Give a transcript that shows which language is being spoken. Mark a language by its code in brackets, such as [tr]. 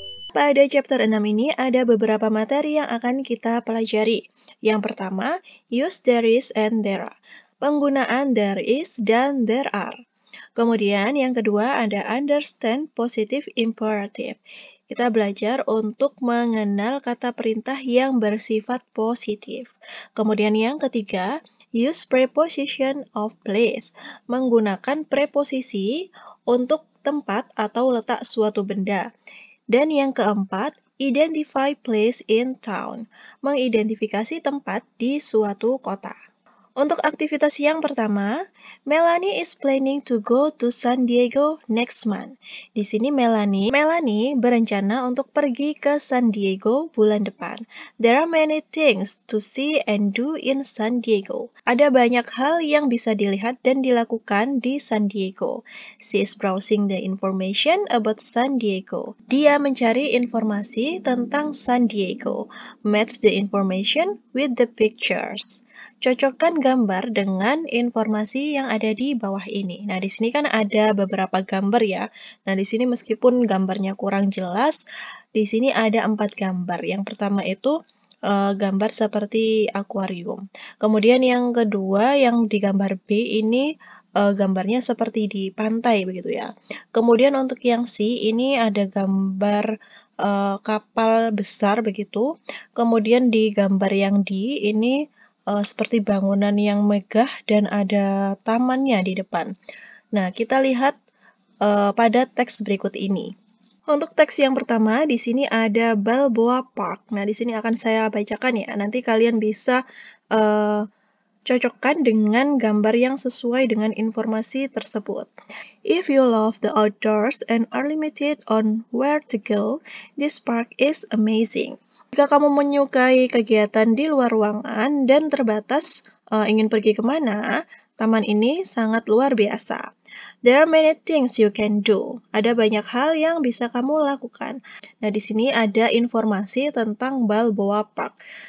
[id] Pada chapter 6 ini ada beberapa materi yang akan kita pelajari. Yang pertama, [en] use there is and there are. [id] Penggunaan there is dan there are. Kemudian yang kedua ada [en] understand positive imperative. [id] Kita belajar untuk mengenal kata perintah yang bersifat positif. Kemudian yang ketiga, [en] use preposition of place. [id] Menggunakan preposisi untuk tempat atau letak suatu benda. Dan yang keempat, [en] identify place in town, [id] mengidentifikasi tempat di suatu kota. Untuk aktivitas yang pertama, [en] Melanie is planning to go to San Diego next month. [id] Di sini Melanie berencana untuk pergi ke San Diego bulan depan. [en] There are many things to see and do in San Diego. [id] Ada banyak hal yang bisa dilihat dan dilakukan di San Diego. [en] She is browsing the information about San Diego. [id] Dia mencari informasi tentang San Diego. [en] Match the information with the pictures. [id] Cocokkan gambar dengan informasi yang ada di bawah ini. Nah, di sini kan ada beberapa gambar ya. Nah, di sini meskipun gambarnya kurang jelas, di sini ada 4 gambar. Yang pertama itu gambar seperti akuarium. Kemudian yang kedua yang di gambar B ini gambarnya seperti di pantai begitu ya. Kemudian untuk yang C ini ada gambar kapal besar begitu. Kemudian di gambar yang D ini seperti bangunan yang megah dan ada tamannya di depan. Nah, kita lihat pada teks berikut ini. Untuk teks yang pertama, di sini ada Balboa Park. Nah, di sini akan saya bacakan ya. Nanti kalian bisa cocokkan dengan gambar yang sesuai dengan informasi tersebut. [en] If you love the outdoors and are limited on where to go, this park is amazing. [id] Jika kamu menyukai kegiatan di luar ruangan dan terbatas ingin pergi kemana, taman ini sangat luar biasa. [en] There are many things you can do. [id] Ada banyak hal yang bisa kamu lakukan. Nah, di sini ada informasi tentang Balboa Park.